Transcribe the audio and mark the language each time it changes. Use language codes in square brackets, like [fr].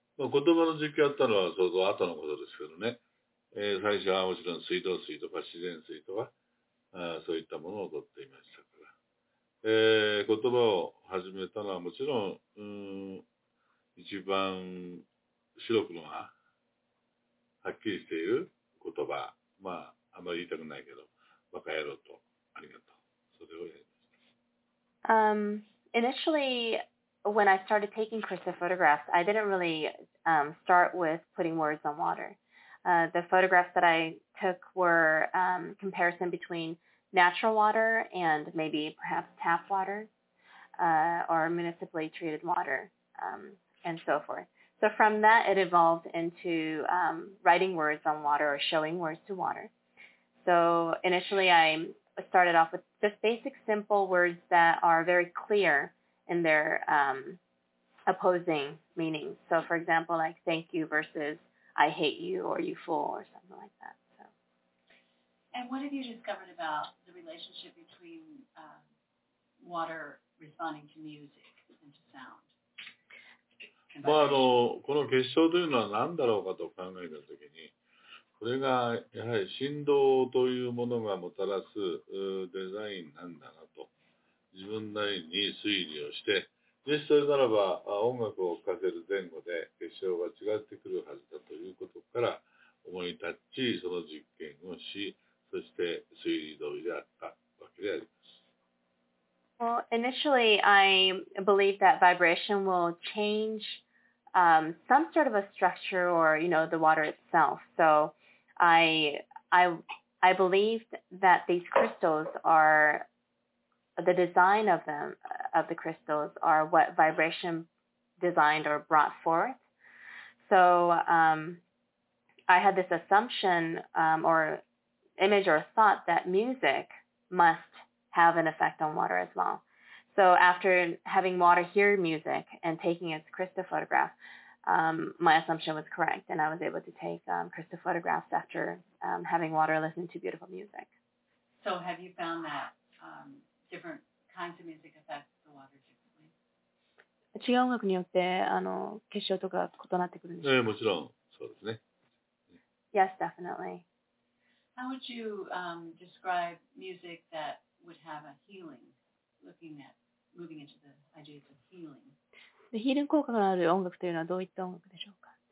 [ja] 言葉の実験やったのは相当後のことですけどね、最初はもちろん水道水とか自然水とかそういったものを取っていましたから、言葉を始めたのはもちろん、一番白くのははっきりしている言葉、まあ、あまり言いたくないけど、バカ野郎とありがとう。それをやります。 [en] Initially, when I started taking crystal photographs, I didn't really start with putting words on water. The photographs that I took were comparison between natural water and maybe perhaps tap water or municipally treated water and so forth. So from that, it evolved into writing words on water or showing words to water. So initially I started off with just basic simple words that are very clear in their opposing meanings. So for example, like thank you versus I hate you or you fool or something like that. So. And what have you discovered about the relationship between water responding to music and to sound? [ja] まあ、この結晶というのは何だろうかと考えたときに、これがやはり振動というものがもたらすデザインなんだなと自分なりに推理をして、もしそれならば音楽を聴かせる前後で結晶が違ってくるはずだということから思い立ち、その実験をし、そして推理通りであったわけであります。 [en] Well, initially, I believe that vibration will change some sort of a structure or, you know, the water itself. So,I believed that these crystals are, the design of them, of the crystals, are what vibration designed or brought forth. So I had this assumption or image or thought that music must have an effect on water as well. So after having water hear music and taking its crystal photograph,my assumption was correct, and I was able to take crystal photographs after having water listen to beautiful music. So have you found that different kinds of music affect the water differently? [ja] 違う音楽によって結晶とか異なってくるんでしょうか？もちろんそうですね。 [en] Yes, definitely. How would you describe music that would have a healing, looking at moving into the ideas of healing? [ja] ヒーリング効果がある音楽というのはどういった音楽でしょうか？